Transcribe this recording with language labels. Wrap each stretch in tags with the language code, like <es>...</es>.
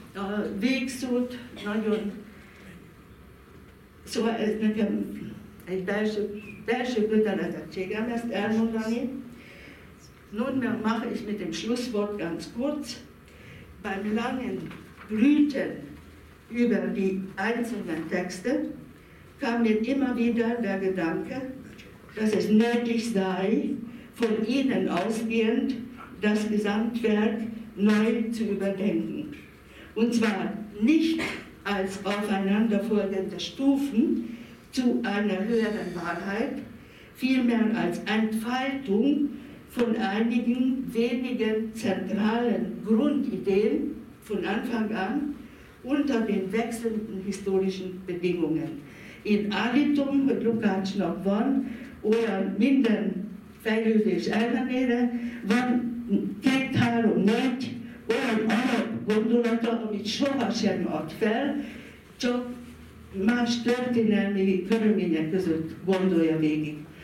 <hu>A végszót nagyon... Szóval ez nekem egy belső kötelezettségem ezt elmondani.</hu> <de>Nun, mehr mache ich mit dem Schlusswort ganz kurz. Beim langen Brüten über die einzelnen Texte kam mir immer wieder der Gedanke, dass es nötig sei, von ihnen ausgehend das Gesamtwerk neu zu überdenken. Und zwar nicht als aufeinanderfolgende Stufen zu einer höheren Wahrheit, vielmehr als Entfaltung von einigen wenigen zentralen Grundideen von Anfang an unter den wechselnden historischen Bedingungen. In Alitum mit Lukács noch von oder</de> <hu>minden fejlődés ellenére van két, három, négy olyan alap gondolata, amit sohasem ad fel, csak más történelmi körülmények között gondolja végig.</hu>